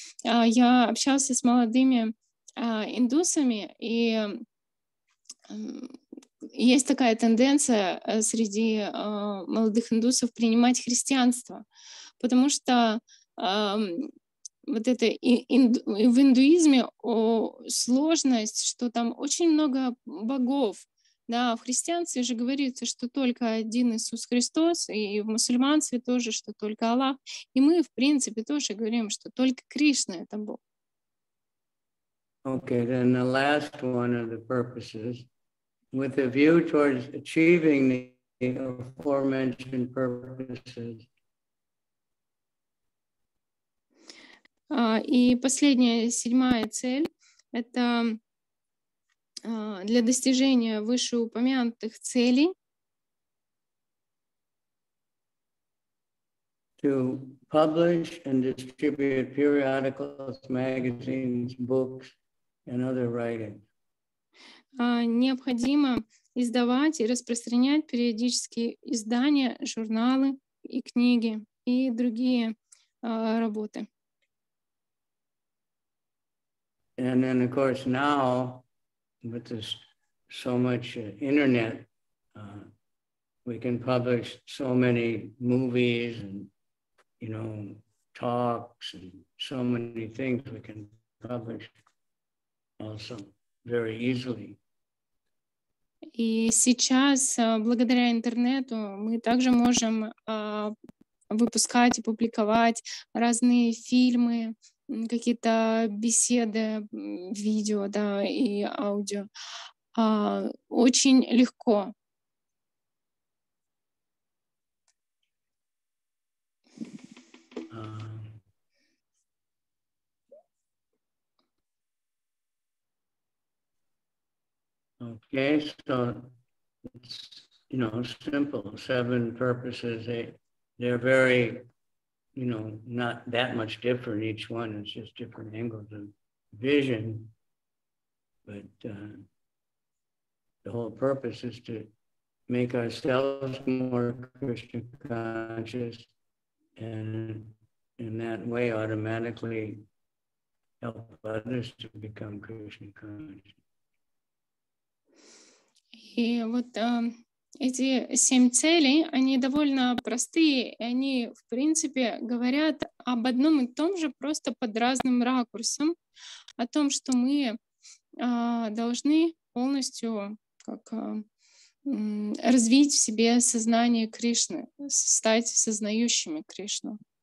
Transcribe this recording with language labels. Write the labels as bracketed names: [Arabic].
[Russian] Я общался с молодыми индусами, и есть такая тенденция среди молодых индусов принимать христианство, потому что вот это в индуизме сложность, что там очень много богов. Да, в христианстве же говорится, что только один Иисус Христос, и в мусульманстве тоже, что только Аллах. И мы, в принципе, тоже говорим, что только Кришна — это Бог. [English] Okay, then the last one of the purposes. With a view towards achieving the aforementioned purposes. [Russian] И последняя, седьмая цель — это для достижения вышеупомянутых целей. [English] To publish and distribute periodicals, magazines, books, and other writings. [Russian] Необходимо издавать и распространять периодические издания, журналы и книги и другие работы. [English] And then, of course, now with this so much internet, we can publish so many movies and, you know, talks and so many things we can publish also very easily. [Russian] И сейчас, благодаря интернету, мы также можем выпускать и публиковать разные фильмы, какие-то беседы, видео, да, и аудио. очень легко. [English] Okay, so it's, you know, simple, seven purposes, they're very, you know, not that much different each one, it's just different angles of vision, but the whole purpose is to make ourselves more Krishna conscious, and in that way automatically help others to become Krishna conscious. [Russian] И вот эти семь целей, они довольно простые, и они, в принципе, говорят об одном и том же, просто под разным ракурсом, о том, что мы должны полностью как, развить в себе сознание Кришны, стать сознающими Кришну.